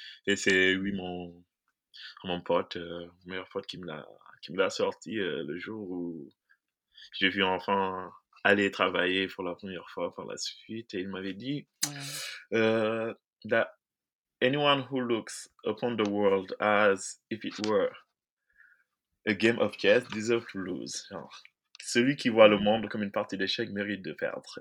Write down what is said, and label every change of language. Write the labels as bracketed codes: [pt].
[fr] Et c'est, oui, mon pote, mon meilleur pote qui me l'a sorti le jour où j'ai vu enfin aller travailler pour la première fois par la suite. Et il m'avait dit [en] that anyone who looks upon the world as if it were a game of chess deserve to lose. [fr] Genre, celui qui voit le monde comme une partie d'échecs mérite de perdre.